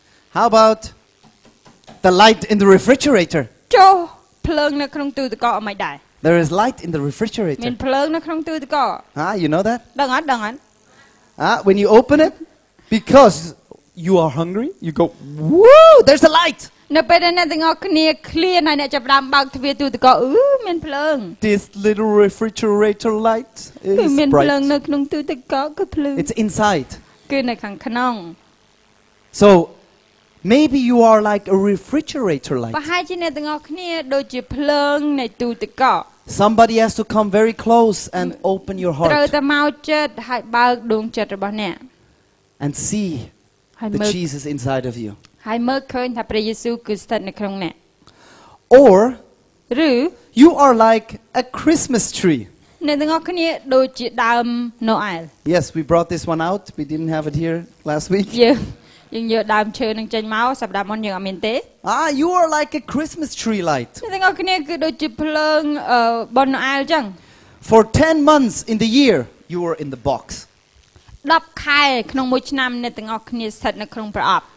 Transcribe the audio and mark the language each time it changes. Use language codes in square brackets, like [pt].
[en] How about the light in the refrigerator? There is light in the refrigerator. Ah, you know that? When you open it, because you are hungry, you go, woo, there's a light. [km] នៅពេលដែលអ្នកទាំងអស់គ្នាឃ្លានហើយអ្នកចាប់ផ្ដើមបើកទ្វារទូទឹកកកអឺមានភ្លើង [en] This little refrigerator light is bright [km] មានភ្លើងនៅក្នុងទូទឹកកកគឺភ្លឺ [en] It's inside [km] គឺនៅខាងក្នុង [en] So maybe you are like a refrigerator light [km] បើហើយជាអ្នកទាំងអស់គ្នាដូចជាភ្លើងនៃទូទឹកកក [en] Somebody has to come very close and open your heart [km] ត្រូវតែមកជិតហើយបើកដួងចិត្តរបស់អ្នក [en] And see the Jesus inside of you [km] ហើយមើលឃើញថាព្រះយេស៊ូវគឺស្ថិតនៅក្នុងអ្នក [en] Or [km] ឬ [en] You are like a Christmas tree [km] អ្នកទាំងអស់គ្នាដូចជាដើមណូអែល [en] Yes we brought this one out we didn't have it here last week [km] យើងយកដើមឈើនឹងចេញមកសម្រាប់មុនយើងអត់មានទេ [en] Ah you are like a Christmas tree light [km] អ្នកទាំងអស់គ្នាគឺដូចជាភ្លើងបុណ្យណូអែលអញ្ចឹង [en] For 10 months in the year you were in the box [km] 10ខែក្នុងមួយឆ្នាំអ្នកទាំងអស់គ្នាស្ថិតនៅក្នុងប្រអប់